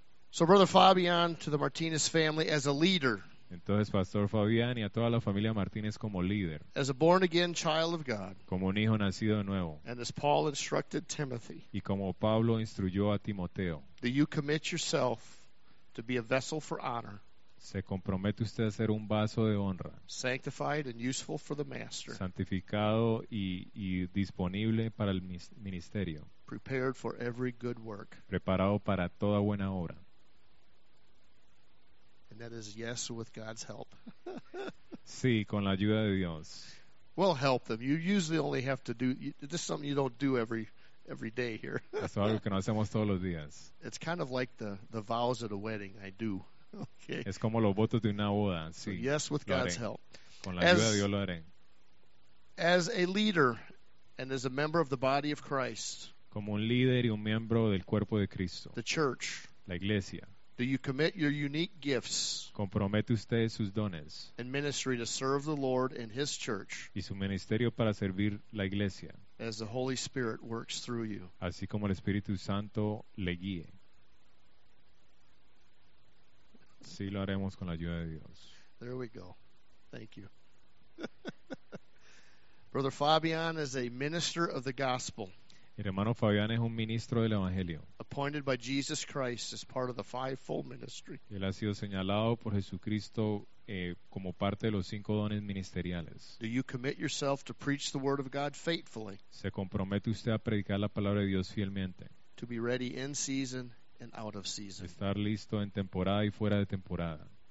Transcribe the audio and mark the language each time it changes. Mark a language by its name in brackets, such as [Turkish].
[English] So Brother Fabian, to the Martinez family as a leader. [Spanish] Entonces Pastor Fabian y a toda la familia Martinez como líder. [English] As a born again child of God. [Spanish] Como un hijo nacido de nuevo. [English] And as Paul instructed Timothy. [Spanish] Y como Pablo instruyó a Timoteo. [English] Do you commit yourself to be a vessel for honor? [Spanish] Se compromete usted a ser un vaso de honra. [English] Sanctified and useful for the master. [Spanish] Santificado y disponible para el ministerio. [English] Prepared for every good work. [Spanish] Preparado para toda buena obra. [English] And that is yes with God's help. [Spanish] Sí, con la ayuda de Dios. [English] We'll help them. You usually only have to do, this is something you don't do every day here. [Spanish] Es algo que no hacemos todos los días. [English] It's kind of like the vows at a wedding I do. Okay. [Spanish] Es como los votos de una boda. Sí, [English] so yes, with God's help. [Spanish] Con la ayuda de Dios lo haré. [English] As a leader and as a member of the body of Christ. [Spanish] Como un líder y un miembro del cuerpo de Cristo. [English] The church. [Spanish] La iglesia. [English] Do you commit your unique gifts? [Spanish] ¿Compromete usted sus dones? [English] And ministry to serve the Lord and his church. [Spanish] Y su ministerio para servir la iglesia. [English] As the Holy Spirit works through you. [Spanish] Así como el Espíritu Santo le guíe. Sí, lo haremos con la ayuda de Dios. [English] There we go. Thank you. Brother Fabian is a minister of the gospel. [Spanish] El hermano Fabián es un ministro del Evangelio. [English] Appointed by Jesus Christ as part of the fivefold ministry. [Spanish] Él ha sido señalado por Jesucristo como parte de los cinco dones ministeriales. [English] Do you commit yourself to preach the word of God faithfully? [Spanish] ¿Se compromete usted a predicar la palabra de Dios fielmente? [English] To be ready in season and out of season. [Spanish] Estar listo en temporada y fuera de temporada.